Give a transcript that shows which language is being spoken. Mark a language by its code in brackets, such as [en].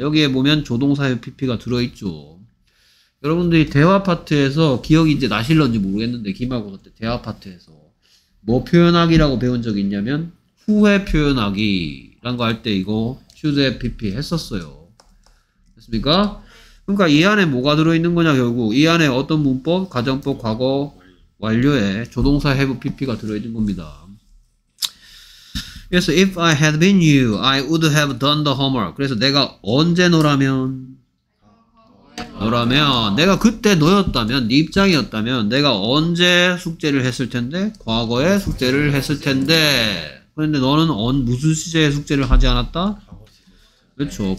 [ko] 여기에 보면 조동사의 pp가 들어있죠. 여러분들이 대화 파트에서 기억이 이제 나실런지 모르겠는데, 기말고사 때 대화 파트에서 뭐 표현하기라고 배운 적이 있냐면 후회 표현하기 라는 거 할 때 이거 should have pp 했었어요. 됐습니까? 그러니까 이 안에 뭐가 들어있는 거냐, 결국 이 안에 어떤 문법, 가정법 과거 완료에 조동사 have pp가 들어있는 겁니다. [en] Yes, if I had been you, I would have done the homework. [ko] 그래서 내가 언제 너라면? 너라면. 내가 그때 너였다면, 네 입장이었다면, 내가 언제 숙제를 했을 텐데? 과거에 숙제를 했을 텐데. 그런데 너는 무슨 시제에 숙제를 하지 않았다? 그렇죠.